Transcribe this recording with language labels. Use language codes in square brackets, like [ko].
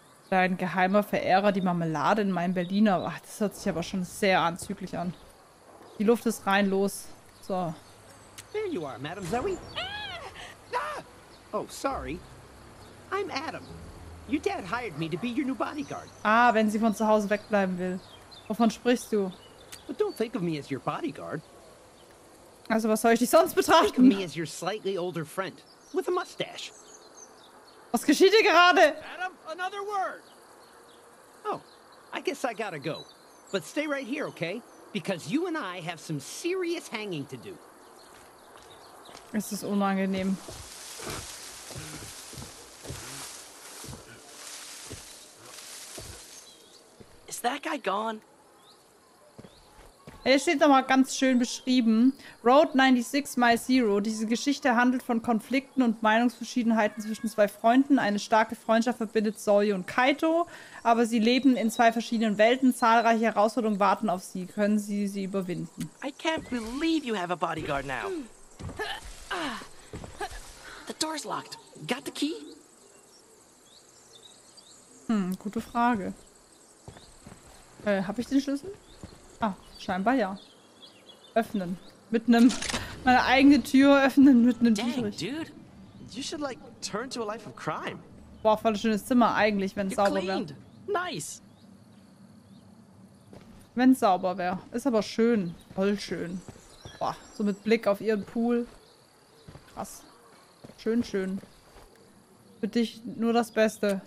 [de] Dein geheimer Verehrer, die Marmelade in meinem Berliner. Ach, das hört sich aber schon sehr anzüglich an. Die Luft ist rein, los. So. [en] There you are, Madam Zoe. Oh, sorry. I'm Adam. Your dad hired me to be your new bodyguard. [de] Ah, wenn sie von zu Hause wegbleiben will. Wovon sprichst du? [en] But don't think of me as your bodyguard. [de] Also, was soll ich dich sonst betrachten? [en] Think of me as your slightly older friend with a mustache. [de] Was geschieht hier gerade? [en] Adam, another word. Oh, I guess I gotta go. But stay right here, okay? Because you and I have some serious hanging to do. [de] Es ist unangenehm. [en] Is that guy gone? [de] Er steht nochmal ganz schön beschrieben. Road 96 Mile Zero. Diese Geschichte handelt von Konflikten und Meinungsverschiedenheiten zwischen zwei Freunden. Eine starke Freundschaft verbindet Zoe und Kaito, aber sie leben in zwei verschiedenen Welten. Zahlreiche Herausforderungen warten auf sie. Können sie sie überwinden? [en] I can't believe you have a bodyguard now. The door's locked. Got the key? [de] Gute Frage. Hab ich den Schlüssel? Scheinbar ja. Öffnen. Mit einem. Meine eigene Tür öffnen mit einem Dietrich. [en] Dude, you should like turn to a life of crime. [de] Boah, voll schönes Zimmer eigentlich, wenn es sauber wäre. [en] Nice. [de] Wenn es sauber wäre. Ist aber schön. Voll schön. Boah, so mit Blick auf ihren Pool. Krass. Schön, schön. Für dich nur das Beste.